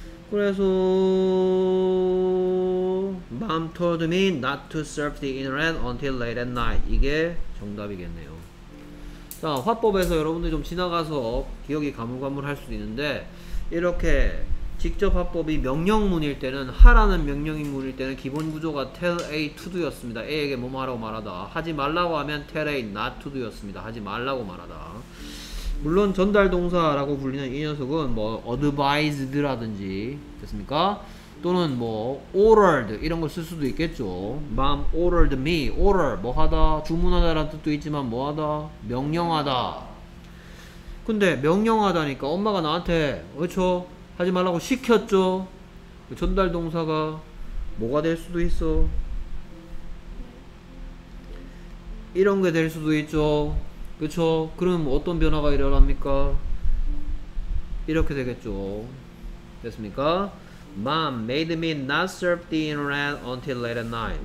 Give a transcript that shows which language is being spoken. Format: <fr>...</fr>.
<en>그래서 mom told me not to surf the internet until late at night.</en> <ko>이게 정답이겠네요. 자, 화법에서 여러분들이 좀 지나가서 기억이 가물가물할 수도 있는데 이렇게 직접 화법이 명령문일 때는 하라는 명령인 문일 때는 기본 구조가</ko> <en>tell A to do</en> <ko>였습니다. A에게 뭐뭐 하라고 말하다. 하지 말라고 하면</ko> <en>tell A not to do</en> <ko>였습니다. 하지 말라고 말하다. 물론 전달 동사라고 불리는 이 녀석은 뭐 advised 라든지 됐습니까? 또는 뭐 ordered 이런 걸 쓸 수도 있겠죠.</ko> <en>mom ordered me.</en> <ko>order 뭐 하다 주문하다 라는 뜻도 있지만 뭐 하다 명령하다. 근데 명령하다니까 엄마가 나한테 그렇죠? 하지 말라고 시켰죠. 그 전달 동사가 뭐가 될 수도 있어? 이런 게 될 수도 있죠. 그쵸? 그럼 어떤 변화가 일어납니까? 이렇게 되겠죠. 됐습니까?</ko> <en>Mom made me not surf the internet until late at night.</en>